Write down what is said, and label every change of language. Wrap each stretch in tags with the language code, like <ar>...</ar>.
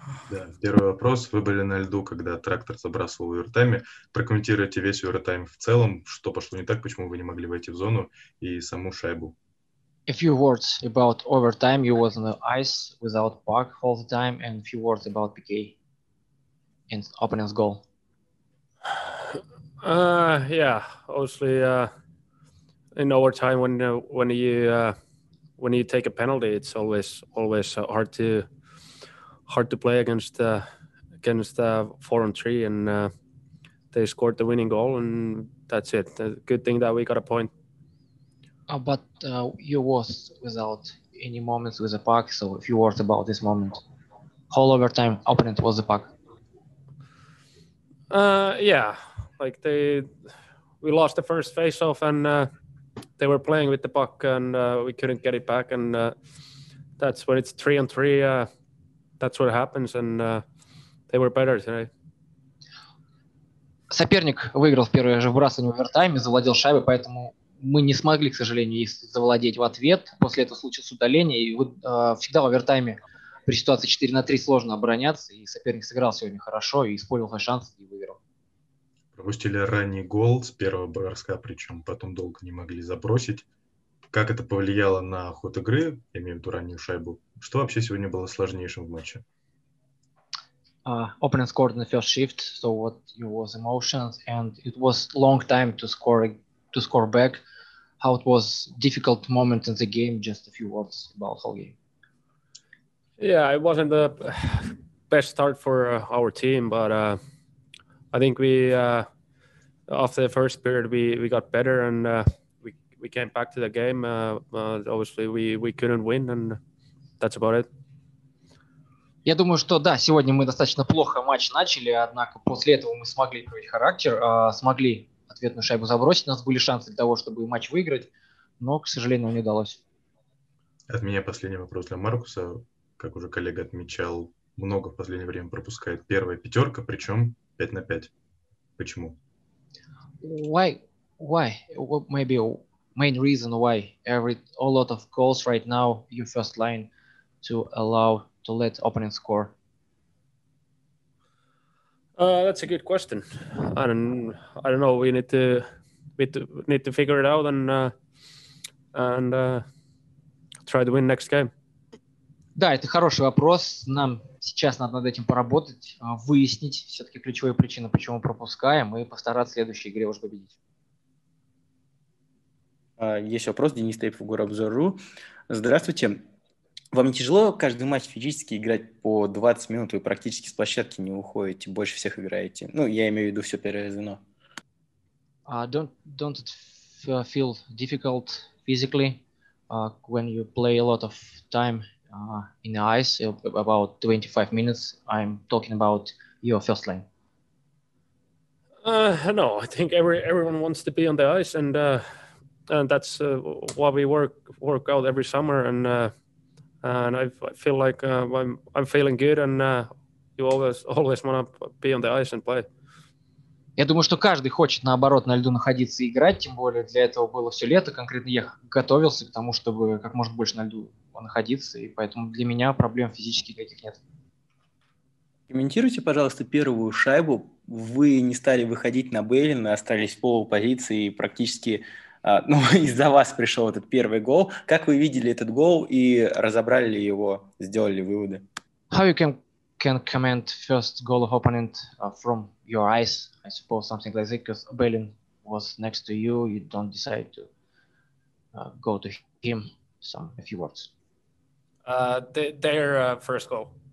<ru>Да, первый вопрос. Вы были на льду, когда трактор забрасывал в овертайме. Прокомментируйте весь овертайм в целом. Что пошло не так, почему вы не могли войти в зону и саму шайбу?</ru> <en>A few words about overtime. You was on the ice without puck all the time. And a few words about PK. In opening's goal. Yeah, obviously in overtime when you take a penalty, it's always hard to play against 4-on-3, and they scored the winning goal, and that's it. Good thing that we got a point. But you was without any moments with the puck, so if you worried about this moment, whole overtime opponent was the puck. Yeah, like we lost the first face-off and they were playing with the puck and we couldn't get it back. And that's when it's 3-on-3, that's what happens, and they were better today.</en> <ru>Соперник выиграл в первое же вбрасывание в овертайме, завладел шайбой, поэтому мы не смогли, к сожалению, их завладеть в ответ. После этого случилось удаление, и вот всегда в овертайме при ситуации 4-3 сложно обороняться, и соперник сыграл сегодня хорошо, и использовал свой шанс, и выиграл. Пропустили ранний гол с первого броска, причем потом долго не могли забросить. Как это повлияло на ход игры, я имею в виду раннюю шайбу? Что вообще сегодня было сложнейшим в матче?</ru> <en>Opponent scored in the first shift, so what it was emotions, and it was long time to score back. How it was difficult moment in the game, just a few words about whole game. Yeah, it wasn't the best start for our team, but I think we after the first period we got better and we came back to the game. Obviously we couldn't win, and that's about it.</en> <ru>Я думаю, что да, сегодня мы достаточно плохо матч начали, однако после этого мы смогли проявить характер, смогли ответную шайбу забросить, у нас были шансы для того, чтобы матч выиграть, но, к сожалению, не удалось. От меня последний вопрос для Маркуса. Как уже коллега отмечал, много в последнее время пропускает первая пятерка, причем 5-5. Почему?</ru> <en>Why? What maybe main reason why every a lot of goals right now your first line to let opponent score? That's a good question. I don't know. We need to figure it out and try to win next game.</en> <ru>Да, это хороший вопрос. Нам сейчас надо над этим поработать, выяснить все-таки ключевую причину, почему пропускаем, и постараться в следующей игре уже победить. Есть вопрос. Денис Тейпов, Горобзор.ру. Здравствуйте. Вам не тяжело каждый матч физически играть по 20 минут? Вы практически с площадки не уходите, больше всех играете. Ну, я имею в виду все первое звено.</ru> <en>Don't it feel difficult physically when you play a lot of time? In the ice, about 25 minutes. I'm talking about your first line. No, I think everyone wants to be on the ice, and that's what we work out every summer. And I feel like I'm feeling good, and you always want to be on the ice and play.</en> <ru>Я думаю, что каждый хочет, наоборот, на льду находиться и играть, тем более для этого было все лето, конкретно я готовился к тому, чтобы как можно больше на льду находиться, и поэтому для меня проблем физических никаких нет. Комментируйте, пожалуйста, первую шайбу. Вы не стали выходить на Бейлина, остались в полупозиции, практически ну, из-за вас пришел этот первый гол. Как вы видели этот гол и разобрали ли его, сделали ли выводы?</ru> <en>How you can comment first goal of opponent from your eyes, I suppose something like that, because Bailin was next to you, you don't decide to go to him, some a few words. Their first goal.</en>